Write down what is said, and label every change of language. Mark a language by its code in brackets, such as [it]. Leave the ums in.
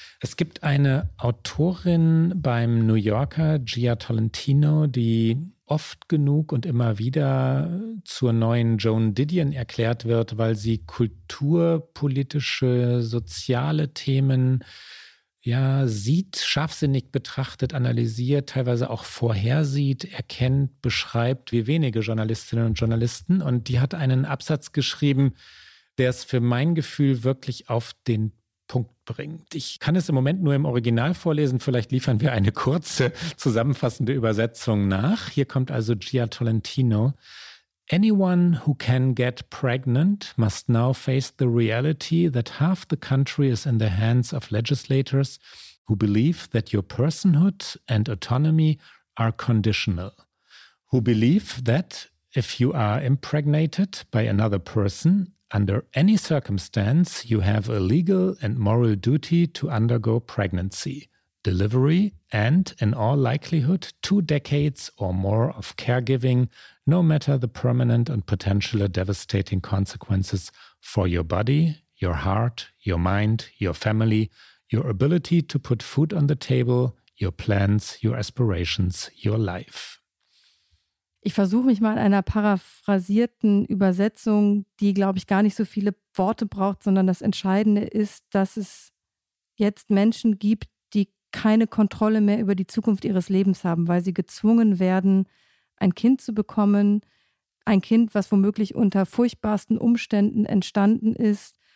[de] Es gibt eine Autorin beim New Yorker, Gia Tolentino, die oft genug und immer wieder zur neuen Joan Didion erklärt wird, weil sie kulturpolitische, soziale Themen ja sieht, scharfsinnig betrachtet, analysiert, teilweise auch vorhersieht, erkennt, beschreibt, wie wenige Journalistinnen und Journalisten. Und die hat einen Absatz geschrieben, der es für mein Gefühl wirklich auf den Punkt bringt. Ich kann es im Moment nur im Original vorlesen, vielleicht liefern wir eine kurze zusammenfassende Übersetzung nach. Hier kommt also Gia Tolentino. [en] Anyone who can get pregnant must now face the reality that half the country is in the hands of legislators who believe that your personhood and autonomy are conditional, who believe that if you are impregnated by another person, under any circumstance, you have a legal and moral duty to undergo pregnancy, delivery, and, in all likelihood, two decades or more of caregiving, no matter the permanent and potentially devastating consequences for your body, your heart, your mind, your family, your ability to put food on the table, your plans, your aspirations, your life. [de] Ich versuche mich mal in einer paraphrasierten Übersetzung, die, glaube ich, gar nicht so viele Worte braucht, sondern das Entscheidende ist, dass es jetzt Menschen gibt, die keine Kontrolle mehr über die Zukunft ihres Lebens haben, weil sie gezwungen werden, ein Kind zu bekommen, ein Kind, was womöglich unter furchtbarsten Umständen entstanden ist.